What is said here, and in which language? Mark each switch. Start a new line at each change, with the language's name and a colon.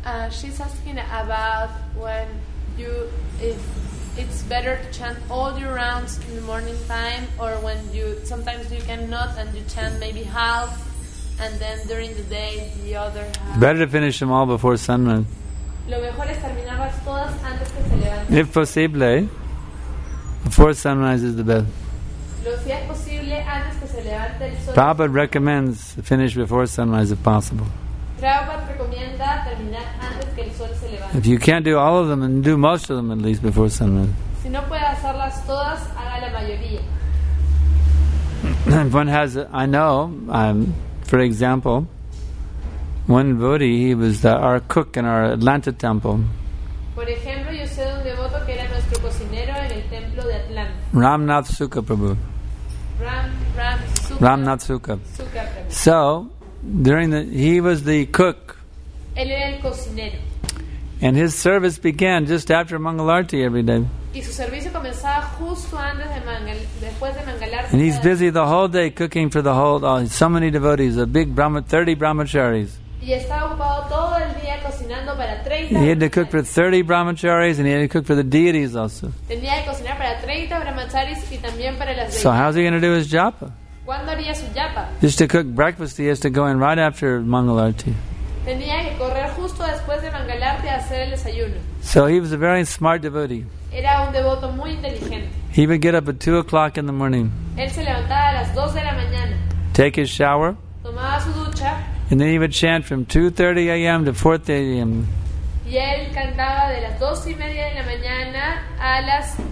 English: She's asking about when you, if it's better to chant all your rounds in the morning time, or when you, sometimes you cannot and you chant maybe half, and then during the day the other half. Better to finish them all before sunrise.
Spanish: Lo mejor es terminarlas todas antes que se levanten.
English: If possible, before sunrise is the best.
Spanish: Lo si es posible antes que se levante el sol.
English: Prabhupada recommends finish before sunrise if possible.
Spanish: Prabhupada recomienda terminar antes que el sol se levante.
English: If you can't do all of them, then do most of them at least before sunrise.
Spanish: Si no puede hacerlas todas, haga la mayoría.
English: If one has, I know, for example, one devotee, he was our cook in our Atlanta temple.
Spanish: Por ejemplo, yo sé de un devoto que era nuestro cocinero en el templo de Atlanta.
English: Ramnath Sukha Prabhu. Ramnath Sukha. So, during the, he was the cook.
Spanish: Él era el cocinero.
English: And his service began just after Mangalarti every day.
Spanish: Y su servicio comenzaba justo antes de después de Mangalarti.
English: And he's busy the whole day cooking for the whole, so many devotees, a big 30 brahmacharis.
Spanish: Y estaba ocupado todo el día cocinando para 30.
English: He had to cook for 30 brahmacharis and he had to cook for the deities also.
Spanish: Tenía que cocinar para 30 brahmacharis y también para las deities.
English: So how's he going to do his japa?
Spanish: ¿Cuándo haría su japa?
English: Just to cook breakfast, he has to go in right after Mangalarti.
Spanish: Tenía que correr justo después de Mangalarti a hacer el desayuno.
English: So he was a very smart devotee.
Spanish: Era un devoto muy inteligente.
English: He would get up at 2 o'clock in the morning.
Spanish: Él se levantaba a las 2 de la mañana.
English: Take his shower.
Spanish: Tomaba su ducha.
English: And then he would chant from 2:30 a.m. to 4:30 a.m.
Spanish: Y él cantaba de las 2 y media de la mañana a las